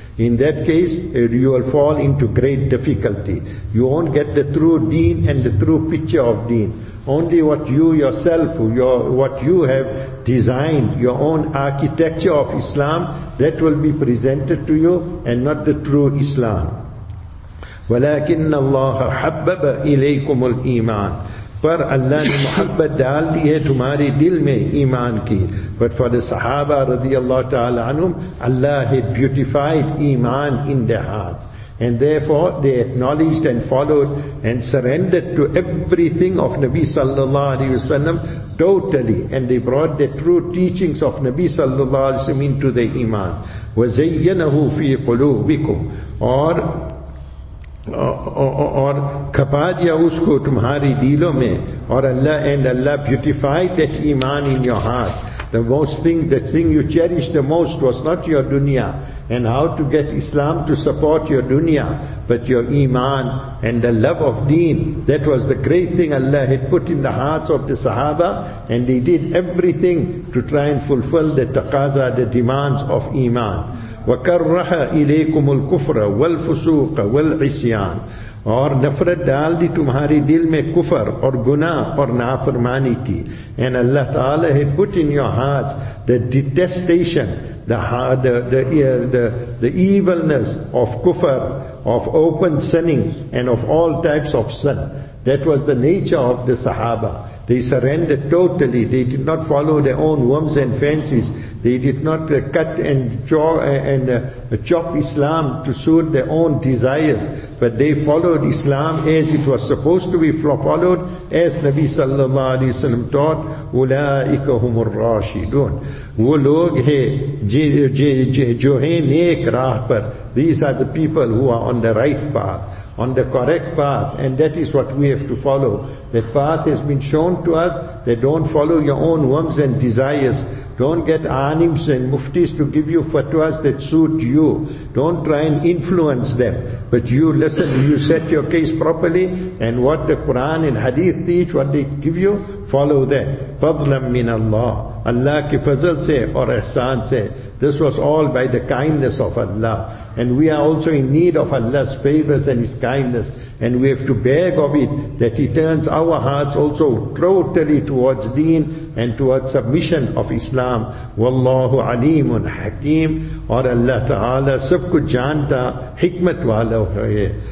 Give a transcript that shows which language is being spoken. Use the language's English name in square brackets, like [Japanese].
[English] In that case, you will fall into great difficulty. You won't get the true deen and the true picture of deen. Only what you yourself, what you have designed, your own architecture of Islam, that will be presented to you and not the true Islam. [Arabic] وَلَكِنَّ اللَّهَ حَبَّبَ إِلَيْكُمُ الْإِيمَانِ [Urdu] پر اللہ نے محبت ڈال دی ہے تمہارے دل میں ایمان کی. [English] But for the Sahaba رضی اللہ تعالی عنہم, Allah had beautified ایمان in their hearts. And therefore they acknowledged and followed and surrendered to everything of Nabi sallallahu alayhi wasallam totally. And they brought the true teachings of Nabi sallallahu alayhi wasallam into the ایمان. [Arabic] وَزَيَّنَهُ فِي قُلُوبِكُمْ [Urdu] اور کھپا دیا اس کو تمہاری دلوں میں. اور اللہ [English] and Allah beautified that ایمان in your heart. The thing you cherish the most was not your dunya and how to get Islam to support your dunya, but your iman and the love of deen. That was the great thing Allah had put in the hearts of the Sahaba, and they did everything to try and fulfill the taqaza, the demands of iman. [Arabic] وَكَرَّحَ إِلَيْكُمُ الْكُفْرَ وَالْفُسُوقَ وَالْعِسْيَانَ [Urdu] اور نفرت ڈال دی تمہاری دل میں کفر اور گناہ اور نافرمانی کی. [English] And Allah Ta'ala had put in your hearts the detestation, the evilness of kufr, of open sinning and of all types of sin. That was the nature of the Sahaba. They surrendered totally. They did not follow their own whims and fancies. They did not cut and chop Islam to suit their own desires. But they followed Islam as it was supposed to be followed, as Nabi sallallahu alayhi wa sallam taught. [Arabic] أُولَٰئِكَ هُمُ الرَّاشِدُونَ [Urdu] وہ لوگ ہیں جو ہیں نیک راہ پر. [English] These are the people who are on the right path, on the correct path, and that is what we have to follow. That path has been shown to us, that don't follow your own whims and desires. Don't get alims and muftis to give you fatwas that suit you. Don't try and influence them. But you listen, you set your case properly, and what the Quran and Hadith teach, what they give you, follow that. [Arabic] فَضْلًا مِّنَ اللَّهِ [Urdu] اللہ کی فضل سے اور احسان سے. [English] This was all by the kindness of Allah. And we are also in need of Allah's favors and His kindness. And we have to beg of it that He turns our hearts also totally towards deen and towards submission of Islam. [Arabic] Wallahu alimun hakeem. [Urdu] Aur Allah Ta'ala sab kuch janta hikmat wala hai.